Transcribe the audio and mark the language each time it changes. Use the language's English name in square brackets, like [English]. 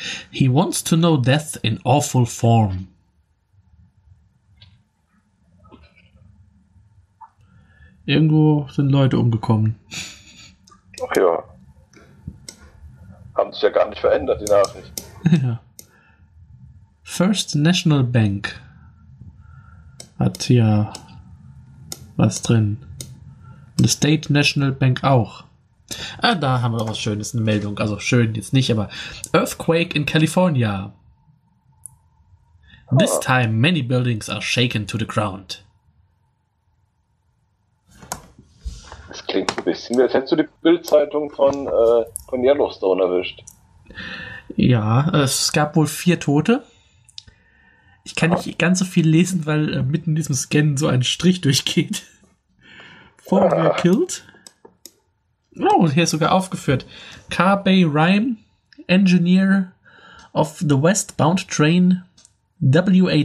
[English] He wants to know death in awful form. [German] Irgendwo sind Leute umgekommen. Ach ja, haben sich ja gar nicht verändert, die Nachricht. Ja. First National Bank hat ja was drin. Und die State National Bank auch. Ah, da haben wir noch was Schönes, eine Meldung. Also schön jetzt nicht, aber [English] Earthquake in California. This time many buildings are shaken to the ground. [German] Das klingt ein bisschen, als hättest du die Bild-Zeitung von Yellowstone erwischt. Ja, es gab wohl 4 Tote. Ich kann nicht ganz so viel lesen, weil mitten in diesem Scan so ein Strich durchgeht. [English] Four were killed. [German] Oh, hier ist sogar aufgeführt. [English] Car Bay Rhyme, Engineer of the Westbound Train, W.A.